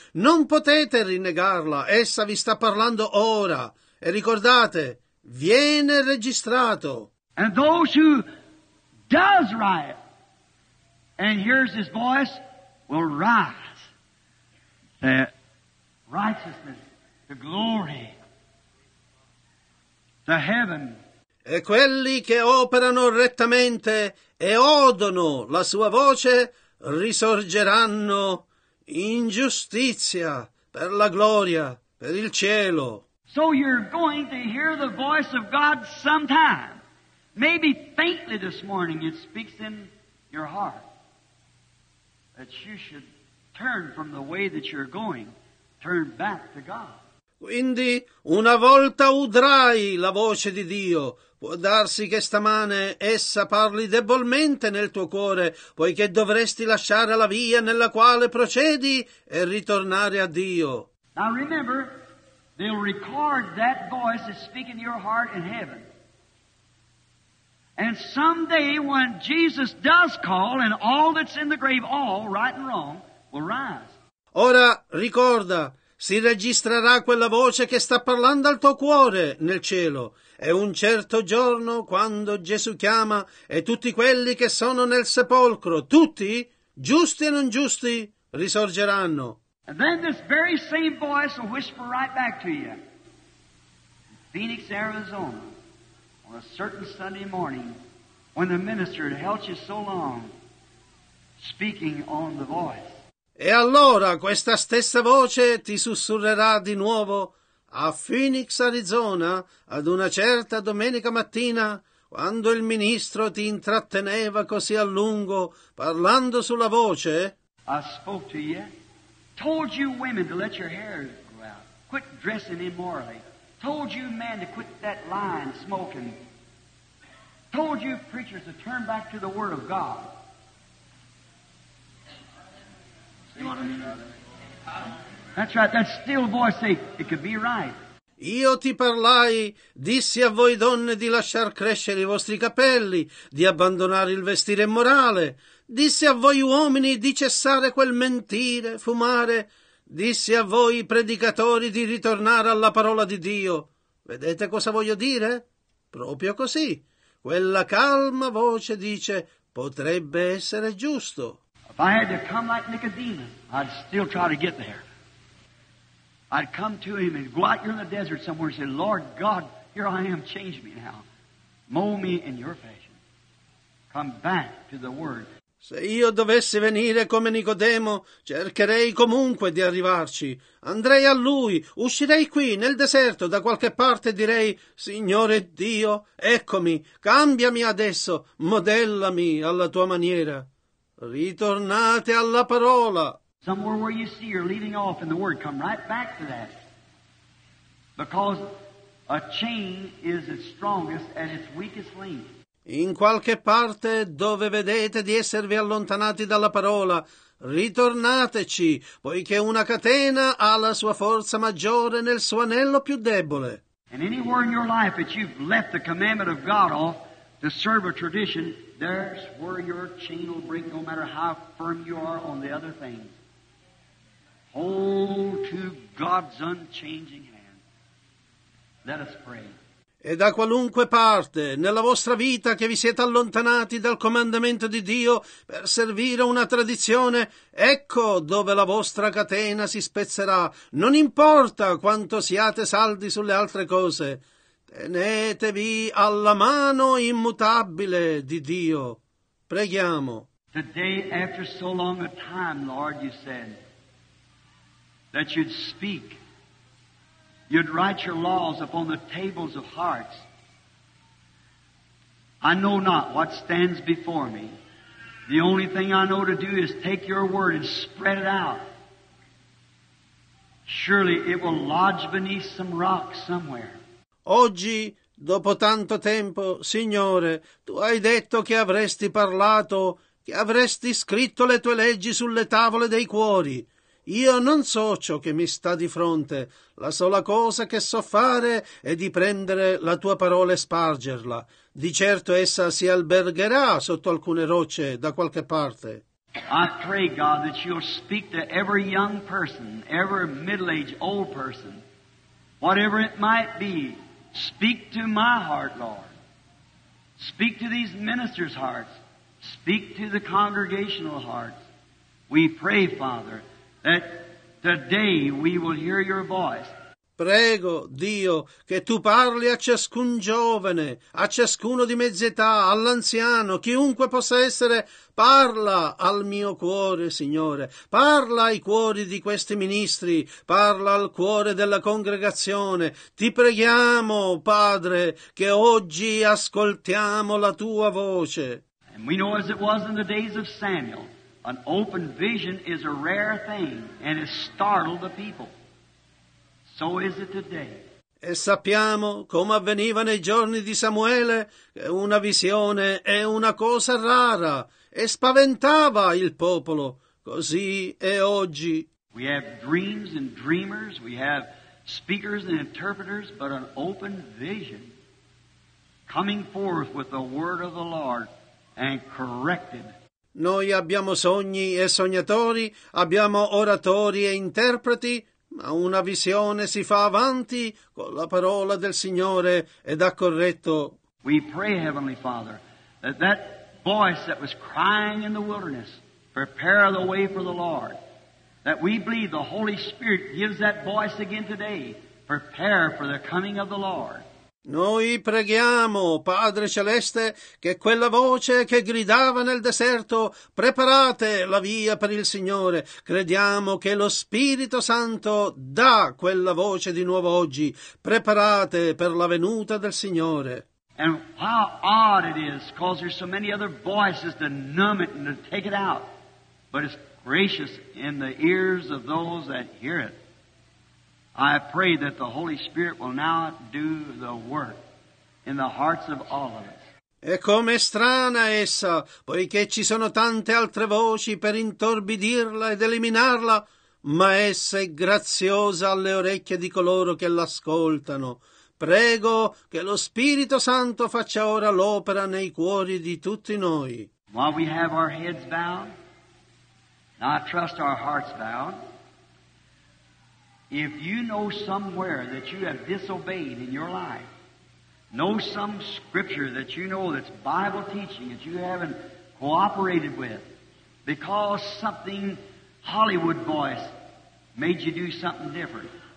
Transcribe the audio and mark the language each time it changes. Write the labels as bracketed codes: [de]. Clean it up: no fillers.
[it] Non potete rinnegarla, essa vi sta parlando ora. E ricordate, viene registrato. [en] And those who does riot and hears his voice will rise the righteousness, the glory, the heaven. [it] E quelli che operano rettamente e odono la sua voce risorgeranno in giustizia per la gloria, per il cielo. [en] So you're going to hear the voice of God sometime. Maybe faintly this morning it speaks in your heart. That you should turn from the way that you're going, turn back to God. [it] Quindi, una volta udrai la voce di Dio, può darsi che stamane essa parli debolmente nel tuo cuore, poiché dovresti lasciare la via nella quale procedi e ritornare a Dio. [en] Now remember, they'll record that voice that's speaking to your heart in heaven. And someday when Jesus does call and all that's in the grave, all right and wrong, will rise. [it] Ora ricorda, si registrerà quella voce che sta parlando al tuo cuore nel cielo. E un certo giorno, quando Gesù chiama, e tutti quelli che sono nel sepolcro, tutti, giusti e non giusti, risorgeranno. [en] And then this very same voice will whisper right back to you. Phoenix, Arizona, on a certain Sunday morning, when the minister had held you so long, speaking on the voice. [it] E allora questa stessa voce ti sussurrerà di nuovo a Phoenix, Arizona, ad una certa domenica mattina, quando il ministro ti intratteneva così a lungo parlando sulla voce. [en] I spoke to you. Told you women to let your hair grow out. Quit dressing immorally. Told you men to quit that lying, smoking. Told you preachers to turn back to the Word of God. See what I mean? That's right, that still voice say it could be right. [it] Io ti parlai, dissi a voi donne di lasciar crescere i vostri capelli, di abbandonare il vestire immorale. Dissi a voi uomini di cessare quel mentire, fumare. Dissi a voi predicatori di ritornare alla parola di Dio. Vedete cosa voglio dire? Proprio così. Quella calma voce dice, potrebbe essere giusto. [en] If I had to come like Nicodemus, I'd still try to get there. I'd come to him and go out here in the desert somewhere and say, Lord God, here I am, change me now. Mow me in your fashion. Come back to the Word. [it] Se io dovessi venire come Nicodemo, cercherei comunque di arrivarci. Andrei a lui, uscirei qui, nel deserto, da qualche parte, direi, Signore Dio, eccomi, cambiami adesso, modellami alla tua maniera. Ritornate alla parola. [en] Somewhere where you see you're leaving off in the Word, come right back to that. Because a chain is its strongest at its weakest link. [it] In qualche parte dove vedete di esservi allontanati dalla parola, ritornateci, poiché una catena ha la sua forza maggiore nel suo anello più debole. [en] And anywhere in your life that you've left the commandment of God off to serve a tradition, there's where your chain will break, no matter how firm you are on the other things. Hold to God's unchanging hand. Let us pray. [it] E da qualunque parte nella vostra vita che vi siete allontanati dal comandamento di Dio per servire una tradizione, ecco dove la vostra catena si spezzerà. Non importa quanto siate saldi sulle altre cose, tenetevi alla mano immutabile di Dio. Preghiamo. [en] The day after so long a time, Lord, you said that you'd speak. You'd write your laws upon the tables of hearts. I know not what stands before me. The only thing I know to do is take your word and spread it out. Surely it will lodge beneath some rock somewhere. [it] Oggi, dopo tanto tempo, Signore, tu hai detto che avresti parlato, che avresti scritto le tue leggi sulle tavole dei cuori. Io non so ciò che mi sta di fronte, la sola cosa che so fare è di prendere la tua parola e spargerla. Di certo essa si albergerà sotto alcune rocce da qualche parte. [en] I pray, God, that you'll speak to every young person, every middle-aged old person, whatever it might be, speak to my heart, Lord. Speak to these ministers' hearts. Speak to the congregational hearts. We pray, Father, that today we will hear your voice. [it] Prego, Dio, che tu parli a ciascun giovane, a ciascuno di mezz'età, all'anziano, chiunque possa essere, parla al mio cuore, Signore. Parla ai cuori di questi ministri, parla al cuore della congregazione. Ti preghiamo, Padre, che oggi ascoltiamo la tua voce. [en] And we know as it was in the days of Samuel. An open vision is a rare thing and it startled the people. So is it today. [it] E sappiamo come avveniva nei giorni di Samuele che una visione è una cosa rara e spaventava il popolo. Così è oggi. [en] We have dreams and dreamers, we have speakers and interpreters, but an open vision coming forth with the word of the Lord and corrected. [it] Noi abbiamo sogni e sognatori, abbiamo oratori e interpreti, ma una visione si fa avanti con la parola del Signore ed ha corretto. [en] We pray, Heavenly Father, that that voice that was crying in the wilderness, prepare the way for the Lord, that we believe the Holy Spirit gives that voice again today, prepare for the coming of the Lord. [it] Noi preghiamo, Padre Celeste, che quella voce che gridava nel deserto, preparate la via per il Signore. Crediamo che lo Spirito Santo dà quella voce di nuovo oggi. Preparate per la venuta del Signore. [en] And how odd it is, because there's so many other voices to numb it and to take it out. But it's gracious in the ears of those that hear it. I pray that the Holy Spirit will now do the work in the hearts of all of us. [it] E com'è strana essa, poiché ci sono tante altre voci per intorbidirla ed eliminarla, ma essa è graziosa alle orecchie di coloro che l'ascoltano. Prego che lo Spirito Santo faccia ora l'opera nei cuori di tutti noi. [en] While we have our heads bowed, I trust our hearts bowed. If you know somewhere that you have disobeyed in your life, know some scripture that you know that's Bible teaching that you haven't cooperated with because something Hollywood voice made you do something different.